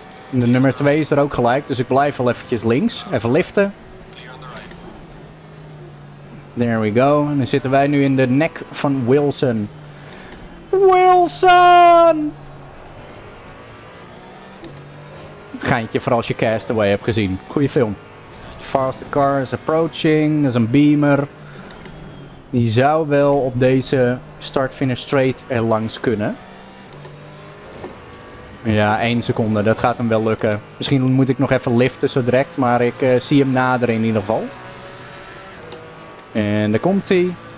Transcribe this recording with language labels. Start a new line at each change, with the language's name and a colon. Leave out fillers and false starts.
Dutch: De nummer 2 is er ook gelijk, dus ik blijf wel eventjes links. Even liften.
English: There we go.
Dutch: En dan zitten wij nu in de nek van Wilson. Wilson! Geintje voor als je Castaway hebt gezien. Goeie film.
English: Faster car is approaching.
Dutch: Dat is een Beamer. Die zou wel op deze start-finish straight er langs kunnen. Ja, 1 seconde. Dat gaat hem wel lukken. Misschien moet ik nog even liften zo direct. Maar ik zie hem naderen in ieder geval. En daar komt hij.